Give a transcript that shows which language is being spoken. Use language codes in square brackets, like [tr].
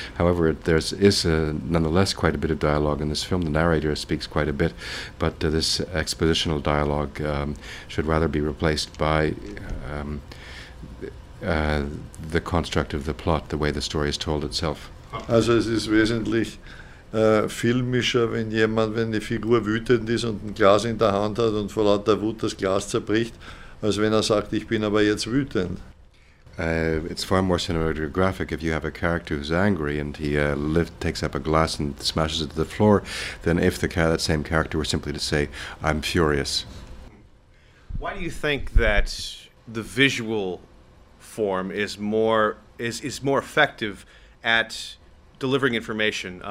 [en] However, there is nonetheless quite a bit of dialogue in this film. The narrator speaks quite a bit, but this expositional dialogue should rather be replaced by the construct of the plot, the way the story is told itself. [de] Also es ist wesentlich filmischer, wenn jemand, wenn die Figur wütend ist und ein Glas in der Hand hat und vor lauter Wut das Glas zerbricht, als wenn er sagt, ich bin aber jetzt wütend. [en] It's far more cinematographic if you have a character who's angry and he takes up a glass and smashes it to the floor than if that same character were simply to say, I'm furious. Why do you think that the visual form is more effective at delivering information?